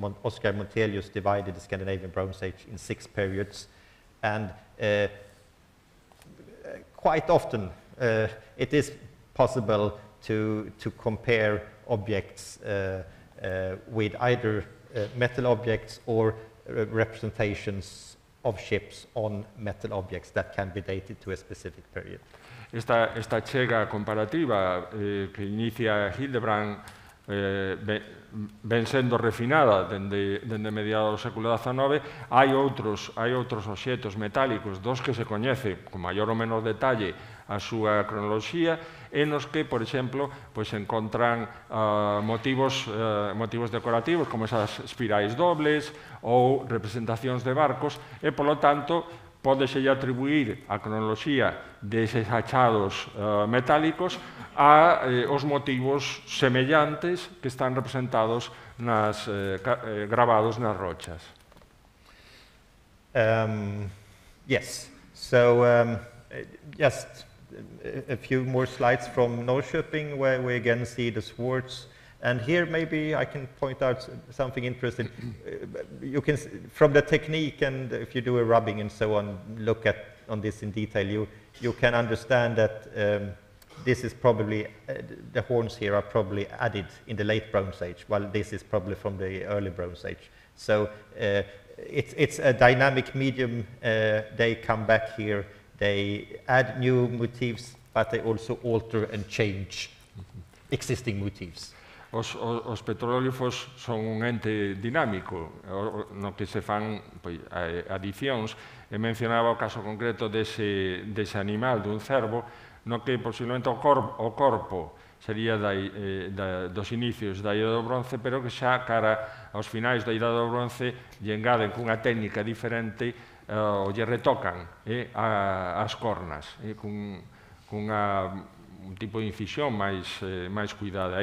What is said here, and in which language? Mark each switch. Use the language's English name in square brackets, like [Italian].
[English] Oscar Montelius divided the Scandinavian Bronze Age in 6 periods, and quite often, it is possible to compare objects with either metal objects or representations of ships on metal objects that can be dated to a specific period. [Galician] Esta chega comparativa que inicia Hildebrand ven sendo refinada dende mediados do século XIX, hai outros obxectos metálicos dos que se coñece con maior ou menor detalle a súa cronoloxía, en os que, por exemplo, pois se encontran motivos decorativos, como esas espirais dobles ou representacións de barcos, e, polo tanto, pódese atribuir a cronoloxía deses achados metálicos aos motivos semellantes que están representados gravados nas rochas. [English] Yes, so just a few more slides from Norrköping, where we again see the swords. And here maybe I can point out something interesting. You can, from the technique, and if you do a rubbing and so on, look at on this in detail, you can understand that this is probably, the horns here are probably added in the late Bronze Age, while this is probably from the early Bronze Age. So it's a dynamic medium. They come back here, they add new motifs, but they also alter and change existing motifs. [Galician] Os petróglifos son un ente dinámico no que se fan adicións. E mencionaba o caso concreto dese animal, dun cervo, no que posiblemente o corpo sería dos inicios da Idade do Bronce, pero que xa cara aos finais da Idade do Bronce lle engaden cunha técnica diferente ou lle retocan as cornas cunha un tipo de incisión máis cuidada.